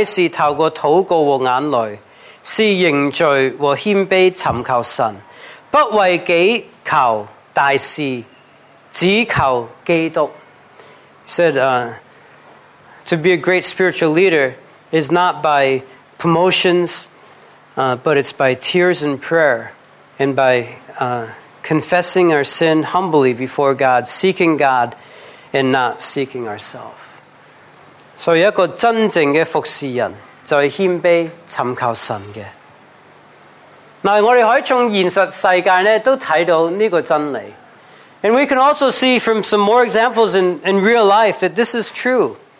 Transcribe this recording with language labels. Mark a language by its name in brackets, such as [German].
[Chinese] 他说一个属灵的领袖就是不是靠升职得到，乃是透过祷告和眼泪。是认罪和谦卑寻求神，不为己求大事，只求基督。 [English] Said, to be a great spiritual leader is not by promotions, but it's by tears and prayer, and by confessing our sin humbly before God, seeking God, and not seeking ourselves. [Chinese] 所以一个真正的服侍人，就是谦卑寻求神嘅。那我们可以从现实世界都看到这个真理。 [English] And we can also see from some more examples in real life that this is true.